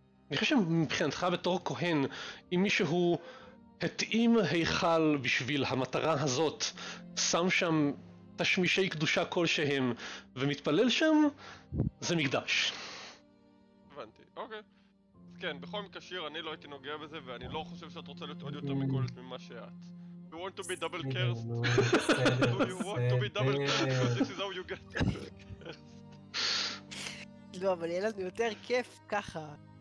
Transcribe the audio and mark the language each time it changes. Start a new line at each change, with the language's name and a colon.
Hebrew: אני חושב שמבחינתך בתור כהן, אם מישהו התאים היכל בשביל המטרה הזאת, שם שם תשמישי קדושה כלשהם ומתפלל שם, זה מקדש. הבנתי, אוקיי. אז כן, בכל מקשיר אני לא הייתי נוגע בזה ואני לא חושב שאת רוצה להיות עוד יותר מגולת ממה שאת.
English: You want to be double cursed? Do you want to be double cursed? This is how you get cursed.
Hebrew: לא, אבל יהיה לנו יותר כיף ככה.